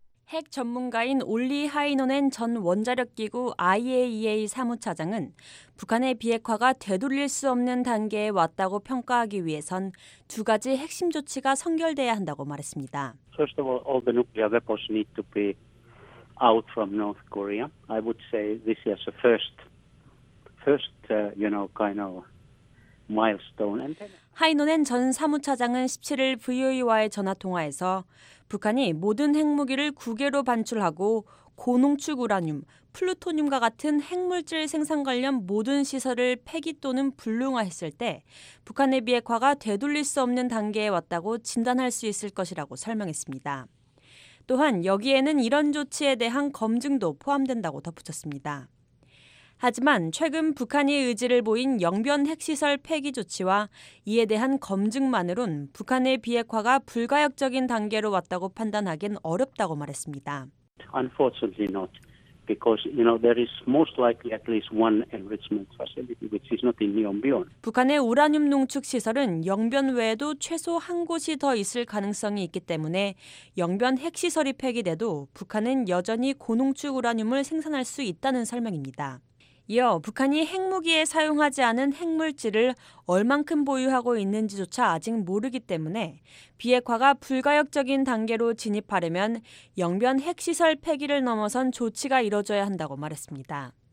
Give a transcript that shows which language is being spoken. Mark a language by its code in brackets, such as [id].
[ko] 핵 전문가인 올리 하이노넨 전 원자력기구 IAEA 사무차장은 북한의 비핵화가 되돌릴 수 없는 단계에 왔다고 평가하기 위해선 두 가지 핵심 조치가 선결돼야 한다고 말했습니다. [en] First of all the nuclear weapons need to be out from North Korea. I would say this is a first you know kind of milestone. [ko] 하이노넨 전 사무차장은 17일 VOA와의 전화통화에서 북한이 모든 핵무기를 국외로 반출하고 고농축 우라늄, 플루토늄과 같은 핵물질 생산 관련 모든 시설을 폐기 또는 불능화했을 때 북한의 비핵화가 되돌릴 수 없는 단계에 왔다고 진단할 수 있을 것이라고 설명했습니다. 또한 여기에는 이런 조치에 대한 검증도 포함된다고 덧붙였습니다. 하지만 최근 북한이 의지를 보인 영변 핵시설 폐기 조치와 이에 대한 검증만으론 북한의 비핵화가 불가역적인 단계로 왔다고 판단하기엔 어렵다고 말했습니다. [en] Unfortunately not, because you know there is most likely at least one enrichment facility which is not in Yongbyon. [ko] 북한의 우라늄 농축 시설은 영변 외에도 최소 한 곳이 더 있을 가능성이 있기 때문에 영변 핵시설이 폐기돼도 북한은 여전히 고농축 우라늄을 생산할 수 있다는 설명입니다. 이어 북한이 핵무기에 사용하지 않은 핵물질을 얼만큼 보유하고 있는지조차 아직 모르기 때문에 비핵화가 불가역적인 단계로 진입하려면 영변 핵시설 폐기를 넘어선 조치가 이뤄져야 한다고 말했습니다.